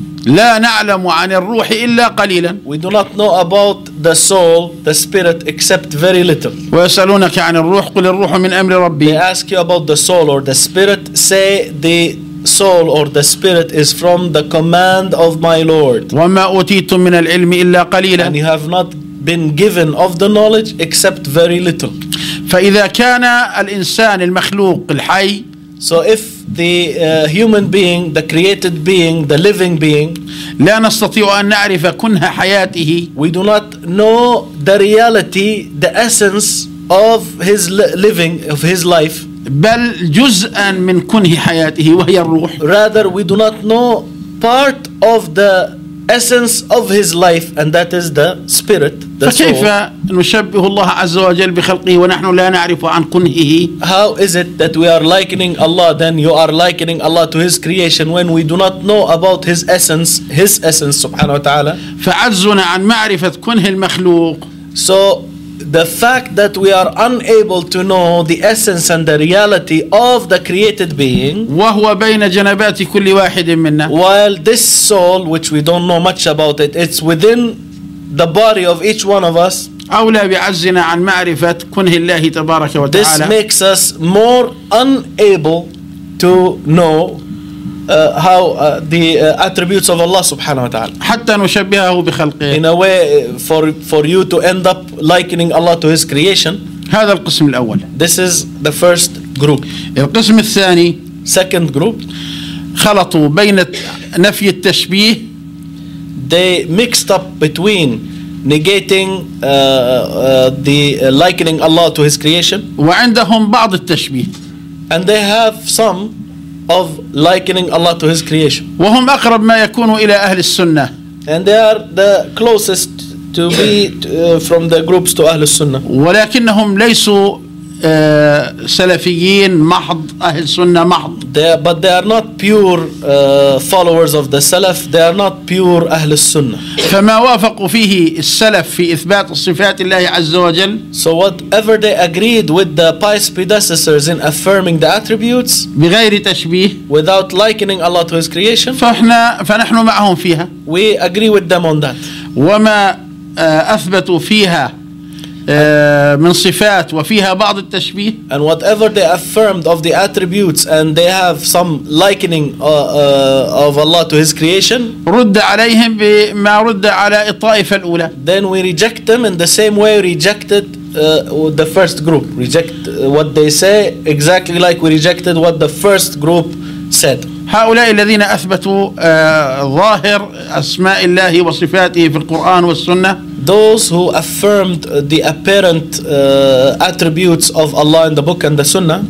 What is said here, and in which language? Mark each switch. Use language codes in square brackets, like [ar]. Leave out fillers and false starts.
[ar] لا نعلم عن الروح إلا قليلا. [en] We do not know about the soul, the spirit, except very little. [ar] ويسألونك عن الروح قل الروح من أمر ربي. [en] They ask you about the soul or the spirit, say the soul or the spirit is from the command of my Lord. [ar] وما أوتيتم من العلم إلا قليلا. [en] And you have not been given of the knowledge except very little. [ar] فإذا كان الإنسان المخلوق الحي, [en] so if the human being, the created being, the living being, [ar] لا نستطيع أن نعرف كنها حياته, [en] we do not know the reality, the essence of his living, of his life, [ar] بل جزءا من كنه حياته وهي الروح, [en] rather we do not know part of the essence of his life and that is the spirit, the soul. [ar] فكيف نشبه الله عز وجل بخلقه ونحن لا نعرف عن كنهه؟ [en] How is it that we are likening Allah, then you are likening Allah to his creation when we do not know about his essence [ar] سبحانه وتعالى. فعجزنا عن معرفة كنه المخلوق. [en] So the fact that we are unable to know the essence and the reality of the created being, [ar] وهو بين جنبات كل واحد منا, [en] while this soul which we don't know much about it, it's within the body of each one of us, [ar] أولى بعجزنا عن معرفة كنه الله تبارك وتعالى. [en] This makes us more unable to know how the attributes of Allah [ar] subhanahu wa ta'ala, حتى نشبهه بخلقه, [en] in a way for you to end up likening Allah to his creation. [ar] هذا القسم الأول. [en] This is the first group. [ar] القسم الثاني, [en] second group, [ar] خلطوا بين نفي التشبيه, [en] they mixed up between negating the likening Allah to his creation, [ar] وعندهم بعض التشبيه, [en] and they have some of likening Allah to his creation. [ar] وهم أقرب ما يكونوا إلى أهل السنة. [en] And they are the closest to be from the groups to أهل السنة. [ar] ولكنهم ليسوا سلفيين محض, أهل السنة محض. [en] But they are not pure followers of the Salaf. They are not pure أهل السنة. [ar] فما وافقوا فيه السلف في إثبات صفات الله عز وجل, [en] so whatever they agreed with the pious predecessors in affirming the attributes, [ar] بغير تشبيه, [en] without likening Allah to his creation, [ar] فنحن معهم فيها. [en] We agree with them on that. [ar] وما أثبتوا فيها من صفات وفيها بعض التشبيه, [en] and whatever they affirmed of the attributes and they have some likening of Allah to his creation, [ar] رد عليهم بما رد على الطائفة الأولى, [en] then we reject them in the same way we rejected the first group, reject what they say exactly like we rejected what the first group said. [ar] هؤلاء الذين أثبتوا ظاهر أسماء الله وصفاته في القرآن والسنة, [en] those who affirmed the apparent attributes of Allah in the book and the sunnah,